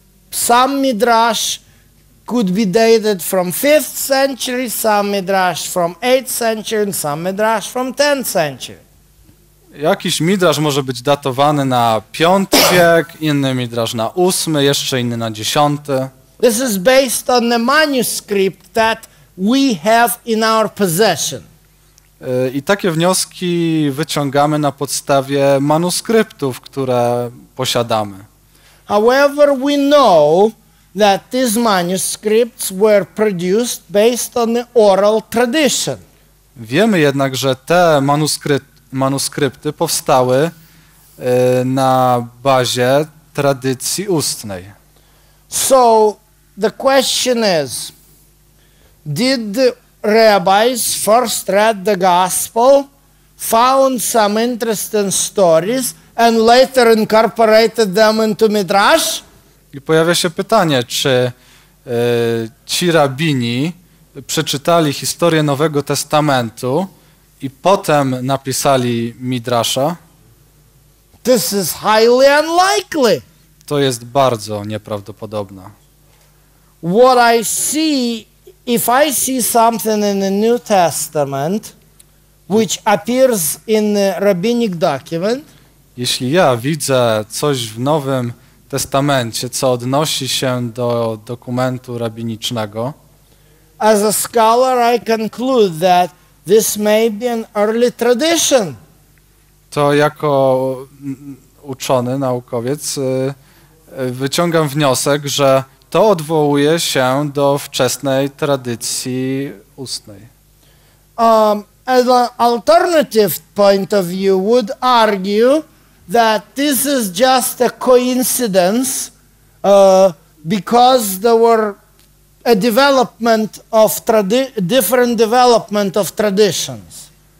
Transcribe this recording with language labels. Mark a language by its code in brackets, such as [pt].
[en] Some Midrash could be dated from 5th century, some Midrash from 8th century, and some Midrash from 10th century. [pl] Jakiś midrasz może być datowany na 5 wiek, inny midrasz na 8, jeszcze inny na 10. [en] This is based on the manuscript that we have in our possession. [pl] I takie wnioski wyciągamy na podstawie manuskryptów, które posiadamy. [en] However, we know that these manuscripts were produced based on the oral tradition. [pl] Wiemy jednak, że te manuskrypty powstały na bazie tradycji ustnej. [en] So the question is, did the rabbis first read the gospel found some interesting stories and later incorporated them into Midrash? [pl] I pojawia się pytanie, czy ci rabini przeczytali historię Nowego Testamentu i potem napisali Midrasza? [en] This is highly unlikely. [pl] To jest bardzo nieprawdopodobne. [en] What I see, if I see something in the New Testament, which appears in the rabbinic document. [pl] Jeśli ja widzę coś w Nowym Testamencie, co odnosi się do dokumentu rabinicznego. [en] As a scholar, I conclude that this may be an early tradition. [pl] To jako uczony, naukowiec, wyciągam wniosek, że to odwołuje się do wczesnej tradycji ustnej. [en] As an alternative point of view would argue that this is just a coincidence because there were a development of different development of traditions.